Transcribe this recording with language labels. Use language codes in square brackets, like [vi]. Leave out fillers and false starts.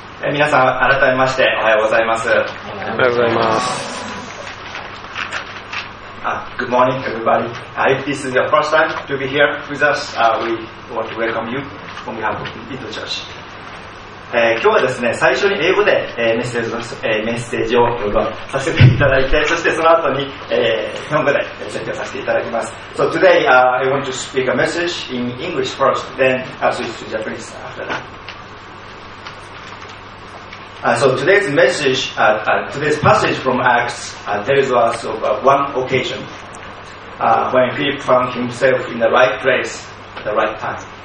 [ja] 皆さん改めましておはようございます。おはようございます。 [en] Good morning everybody. This is your first time to be here with us. We want to welcome you from behalf of Into Church. [ja] 今日はですね、最初に英語で、メッセージを読ませさせていただいて、そしてその後に、日本語で説教させていただきます。 [en] So today, I want to speak a message in English first, then switch to Japanese after that. So today's message, today's passage from Acts tells us of one occasion when Philip found himself in the right place at the right time.